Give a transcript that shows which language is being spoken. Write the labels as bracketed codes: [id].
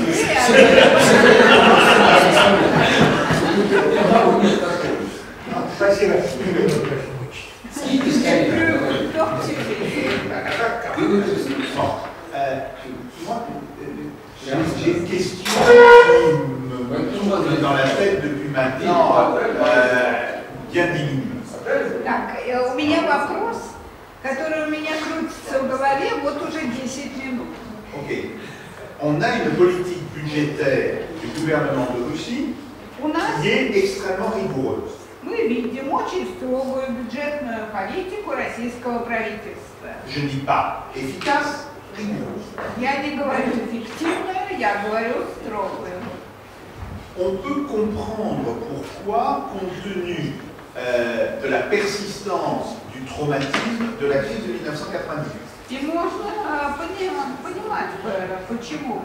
[fr] J'ai une question qui me tourne dans la tête depuis maintenant bien 10 minutes. [ru] Так, у меня вопрос, который у меня крутится в голове вот уже 10 минут. OK. [fr] On a une politique budgétaire du gouvernement de Russie qui est extrêmement rigoureuse. [ru] Мы видим очень строгую бюджетную политику российского правительства. [fr] Je dis pas efficace, rigoureuse. [ru] Я не говорю эффективную, я говорю строгую. [fr] On peut comprendre pourquoi, compte tenu de la persistance du traumatisme de la crise de 1998. [ru] И можно понимать, почему.